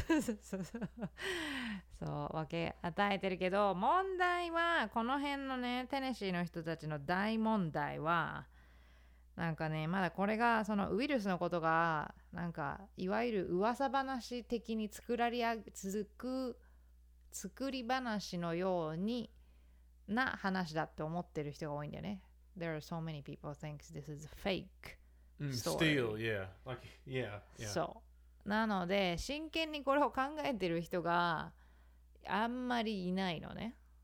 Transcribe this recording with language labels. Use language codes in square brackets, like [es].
[ja] そうそうそうそう、そう分け与えてるけど、問題はこの辺のね、テネシーの人たちの大問題はなんかね、まだこれがそのウイルスのことがなんかいわゆる噂話的に作り話のようにな話だって思ってる人が多いんだよね。 [en] There are so many people thinks this is a fake story. Still, yeah. Like, yeah, yeah. [ja] そう。なので、真剣にこれを考えてる人があんまりいないのね。